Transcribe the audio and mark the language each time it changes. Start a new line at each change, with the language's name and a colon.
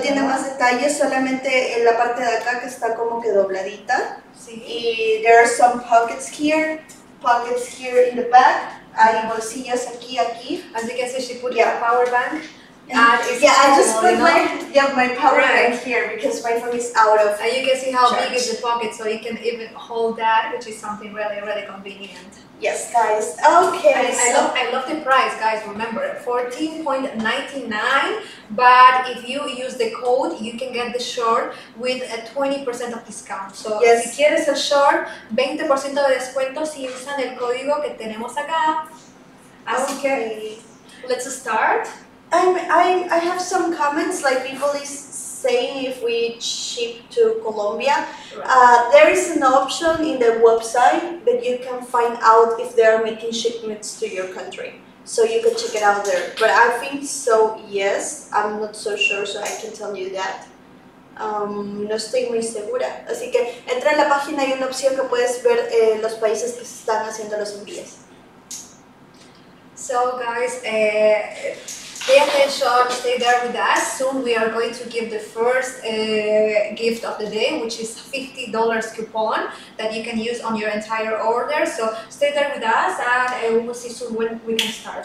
Spanish: tiene más detalles, solamente en la parte de acá que está como que dobladita. Sí.
English: Y there are some pockets here in the back.
Spanish: Hay bolsillas aquí.
English: As you can see, she put a power bank. I just put my power bank here because my phone is out of And you can see how charge. Big is the pocket, so you can even hold that, which is something really, really convenient. Yes, guys. Okay. I love the price, guys. Remember, $14.99. But if you use the code, you can get the short with a 20% of discount. So yes.
Spanish: Si quieres el short, 20% de descuento si usan el código que tenemos acá. Así
English: okay. Que let's start. I have some comments, like people is saying if we ship to Colombia. Right. There is an option in the website that you can find out if they are making shipments to your country. So you can check it out there. But I think so, yes. I'm not so sure, so I can tell you that.
Spanish: No estoy muy segura. Así que entra en la página, hay una opción que puedes ver los países que están haciendo los envíos.
English: So guys, pay attention, stay there with us. Soon we are going to give the first gift of the day, which is $50 coupon that you can use on your entire order. So stay there with us and we'll see soon when we can start.